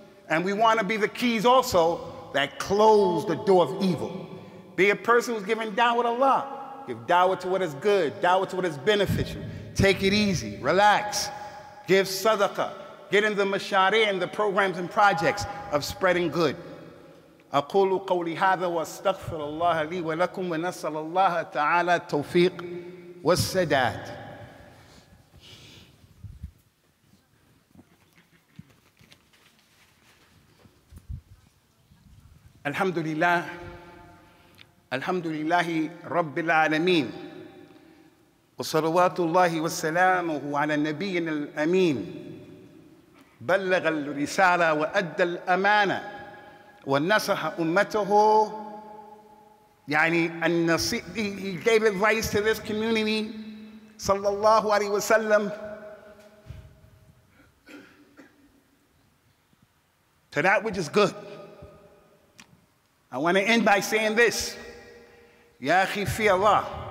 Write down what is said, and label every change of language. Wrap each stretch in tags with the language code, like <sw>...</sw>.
<en>And we want to be the keys also that close the door of evil. Be a person who's giving da'wah to Allah. Give da'wah to what is good, da'wah to what is beneficial. Take it easy, relax, give sadaqah. Get in the mashari and the programs and projects of spreading good.</en> <ar>أقول قولي هذا واستغفر الله لي ولكم ونسأل الله تعالى التوفيق والسداد. الحمد لله الحمد لله رب العالمين وصلوات الله وسلامه على النبي الأمين بلغ الرسالة وأدى الأمانة ونصح أمته يعني النصيحة.</ar> <en>He gave advice to this community</en> <ar>صلى الله عليه وسلم.</ar> <en>To that which is good. I want to end by saying this.</en> <ar>يا أخي في الله.</ar>